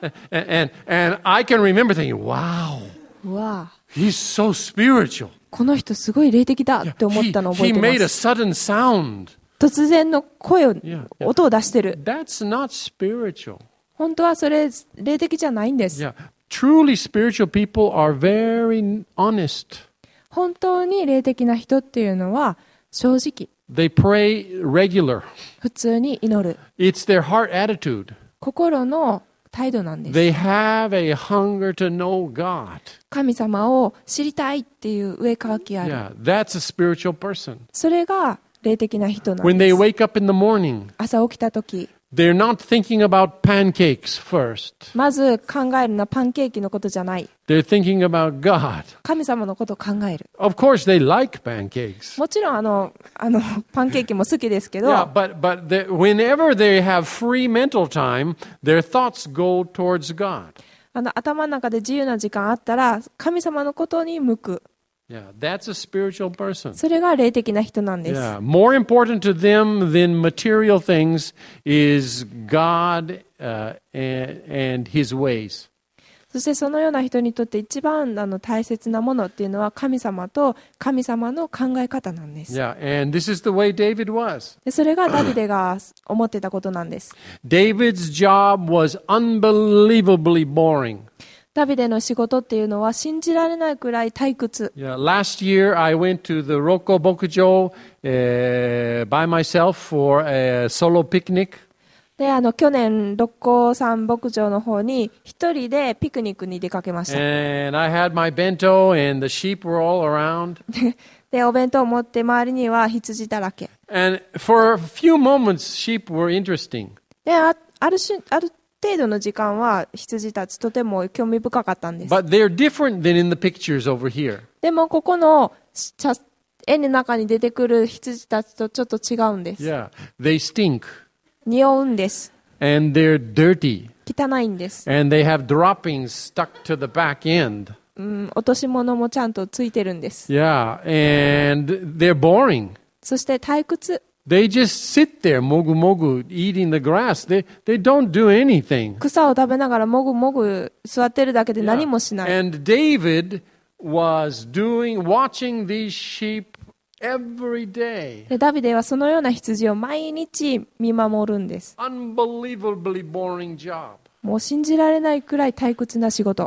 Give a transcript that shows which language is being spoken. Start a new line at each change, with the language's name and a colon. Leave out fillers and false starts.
English: and I can remember thinking, wow, wow, he's so spiritual.
Japanese: この人すごい霊的だって思ったのを覚えてます。
English: He made a sudden sound.
Japanese: 突然の声を音を出してる。
English: That's not spiritual.
Japanese: 本当はそれ霊的じゃないんです。
English: Truly spiritual people are very honest.
Japanese: 本当に霊的な人っていうのは正直。
English: They pray regular.
Japanese: 普通に祈る。
English: It's their heart attitude.
Japanese: 心の態度なんです。
English: They have a hunger to know God.
Japanese: 神様を知りたいっていう上渇きある。
English: Yeah, that's a spiritual person.
Japanese: それが霊的な人なんです。
English: When they wake up in the morning.
Japanese: 朝起きた時。
English: They're not thinking about pancakes first.
Japanese: まず考えるのはパンケーキのことじゃない。
English: They're thinking about God.
Japanese: 神様のことを考える。
English: Of course, they like pancakes.
Japanese: もちろんパンケーキも好きですけど。
English: Yeah, but whenever they have free mental time, their thoughts go towards God.
Japanese: 頭の中で自由な時間あったら、神様のことに向く。
English: Yeah, that's a spiritual person.
Japanese: それが霊的な人なんです。
English: Yeah, more important to them than material things is God, and His ways.
Japanese: そしてそのような人にとって一番大切なものっていうのは神様と神様の考え方なんです。
English: Yeah, and this is the way David was.
Japanese: それがダビデが思ってたことなんです。
English: David's job was unbelievably boring.
Japanese: ダビデの仕事っていうのは信じられないくらい退屈。
English: Last year I went to the Rocco 牧場 by myself for a solo picnic.
Japanese: で、去年六甲山牧場の方に一人でピクニックに出かけました。
English: And I had my bento and the sheep were all around.
Japanese: で、お弁当を持って周りには羊だらけ。
English: And for a few moments, sheep were interesting.
Japanese: で、ある程度の時間は羊たちとても興味深かったんです。
English: But they're different than in the pictures over here.
Japanese: でもここの絵の中に出てくる羊たちとちょっと違うんです。
English: Yeah, they stink.
Japanese: 匂うんです。
English: And they're dirty.
Japanese: 汚いんです。
English: And they have droppings stuck to the back end.
Japanese: 落とし物もちゃんとついてるんです。
English: Yeah, and they're boring.
Japanese: そして退屈。
English: They just sit there, もぐもぐ eating the grass. They don't do anything.
Japanese: 草を食べながらもぐもぐ座ってるだけで何もしない。
English: And David was watching these sheep every day.
Japanese: で、ダビデはそのような羊を毎日見守るんです。
English: Unbelievably boring job.
Japanese: もう信じられないくらい退屈な仕事。